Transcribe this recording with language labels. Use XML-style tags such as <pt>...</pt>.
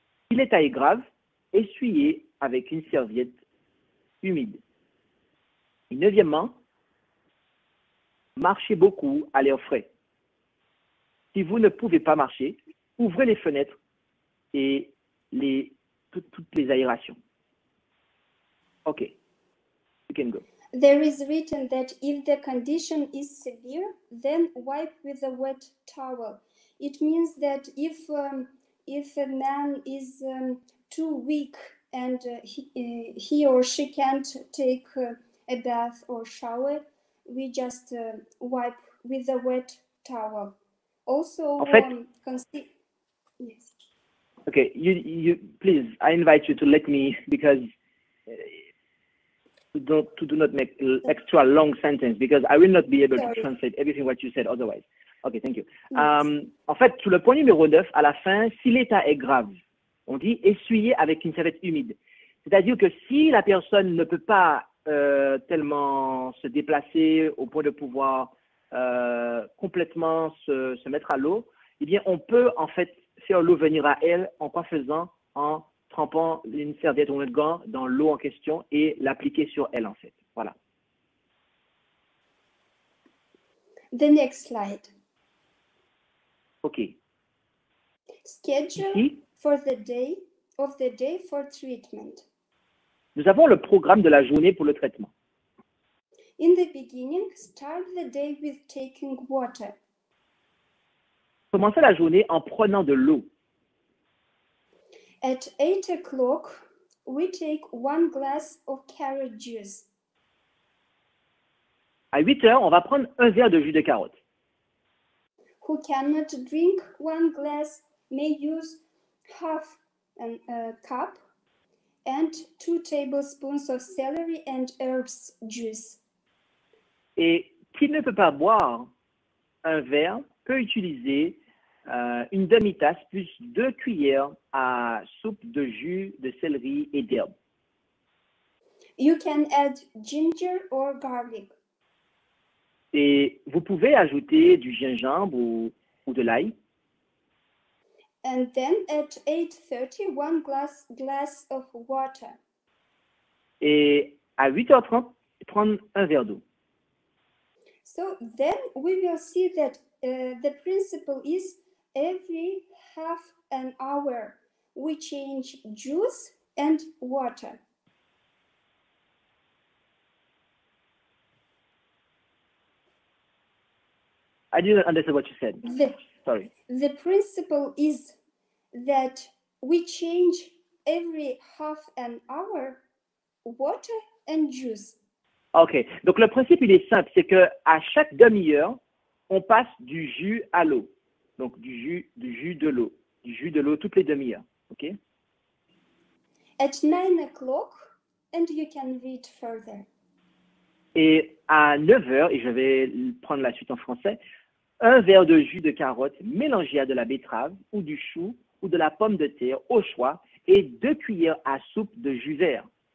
<fr>Si l'état est grave, essuyez avec une serviette humide. Et neuvièmement, marchez beaucoup à l'air frais. Si vous ne pouvez pas marcher, ouvrez les fenêtres et toutes les aérations.</fr> <en>Okay, you can go. There is written that if the condition is severe, then wipe with a wet towel. It means that if a man is too weak and he or she can't take a bath or shower, we just wipe with a wet towel. Also, yes. Okay, you please, I invite you to let me, because to do not make extra long sentence because I will not be able to translate everything what you said otherwise. Ok, thank you.</en> <fr>En fait, sur le point numéro 9, à la fin, si l'état est grave, on dit essuyer avec une serviette humide. C'est-à-dire que si la personne ne peut pas tellement se déplacer au point de pouvoir complètement se mettre à l'eau, eh bien, on peut en fait faire l'eau venir à elle en quoi faisant, en trempant une serviette ou un gant dans l'eau en question et l'appliquer sur elle en fait. Voilà.</fr> <en>The next slide. Ok. Schedule ici, for the day of the day for treatment.</en> <fr>Nous avons le programme de la journée pour le traitement.</fr> <en>In the beginning, start the day with taking water.</en> <fr>Commencez la journée en prenant de l'eau.</fr> <en>At 8 o'clock, we take one glass of carrot juice.</en> <fr>À 8 heures, on va prendre un verre de jus de carotte.</fr> <en>Who cannot drink one glass may use half a cup and 2 tablespoons of celery and herbs juice.</en> <fr>Et qui ne peut pas boire un verre peut utiliser une demi-tasse plus 2 cuillères à soupe de jus de céleri et d'herbes.</fr> <en>You can add ginger or garlic.</en> <fr>Et vous pouvez ajouter du gingembre ou de l'ail.</fr> <en>And then at 8:30, one glass of water.</en> <fr>Et à 8h30, prendre un verre d'eau.</fr> <en>So then we will see that the principle is every half an hour we change juice and water. I didn't understand what you said. The principle is that we change every half an hour water and juice.</en> <fr>OK. Donc, le principe, il est simple. C'est qu'à chaque demi-heure, on passe du jus à l'eau. Donc, du jus de l'eau toutes les demi-heures. OK?</fr> <en>At 9 o'clock, and you can read further.</en> <fr>Et à 9 heures, et je vais prendre la suite en français, un verre de jus de carotte mélangé à de la betterave ou du chou ou de la pomme de terre au choix et 2 cuillères à soupe de jus vert.</fr>